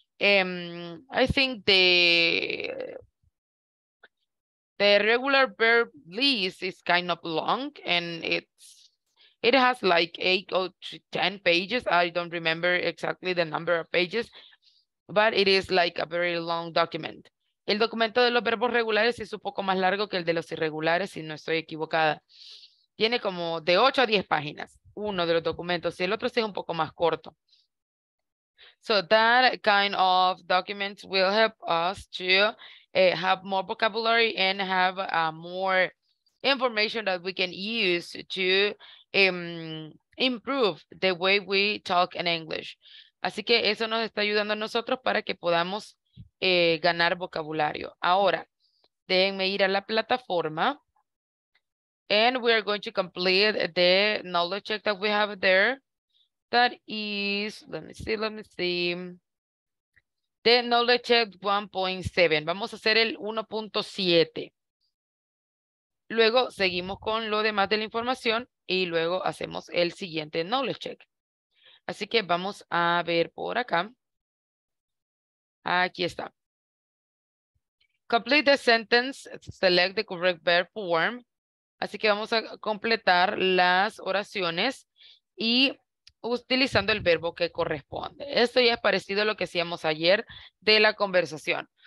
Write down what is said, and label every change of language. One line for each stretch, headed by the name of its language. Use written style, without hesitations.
English: I think the regular verb list is kind of long, and it has like 8 or 10 pages. I don't remember exactly the number of pages, but it is like a very long document.
Spanish: El documento de los verbos regulares es un poco más largo que el de los irregulares, si no estoy equivocada. Tiene como de 8 a 10 páginas, uno de los documentos, y el otro es un poco más corto.
English: So that kind of documents will help us to have more vocabulary and have more information that we can use to improve the way we talk in English.
Spanish: Así que eso nos está ayudando a nosotros para que podamos ganar vocabulario. Ahora, déjenme ir a la plataforma.
English: And we are going to complete the knowledge check that we have there. That is, let me see. The knowledge check 1.7.
Spanish: Vamos a hacer el 1.7. Luego seguimos con lo demás de la información y luego hacemos el siguiente knowledge check. Así que vamos a ver por acá. Aquí está.
English: Complete the sentence, select the correct verb form.
Spanish: Así que vamos a completar las oraciones y utilizando el verbo que corresponde. Esto ya es parecido a lo que hacíamos ayer de la conversación.